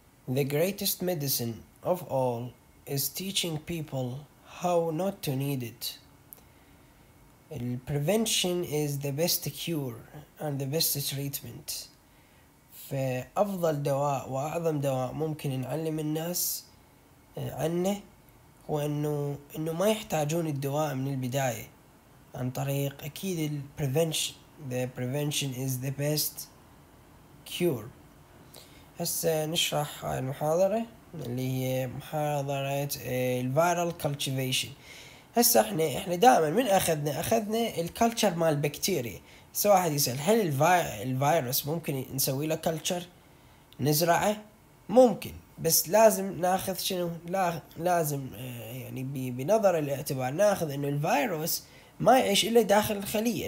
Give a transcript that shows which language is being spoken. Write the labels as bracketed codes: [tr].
[en] The greatest medicine of all is teaching people how not to need it. Prevention is the best cure and the best treatment. [ar] فأفضل دواء وأعظم دواء ممكن نعلم الناس عنه هو إنه ما يحتاجون الدواء من البداية عن طريق أكيد prevention. [en] The prevention is the best cure. [ar] هسه نشرح هاي المحاضرة اللي هي محاضرة الفيرال كالتيفيشن. هسه احنا دائما من اخذنا الكالتشر مال البكتيريا. هسه واحد يسأل هل الفيروس ممكن نسوي له كالتشر نزرعه؟ ممكن، بس لازم ناخذ شنو؟ لازم يعني بنظر الاعتبار ناخذ انه الفيروس ما يعيش الا داخل الخلية.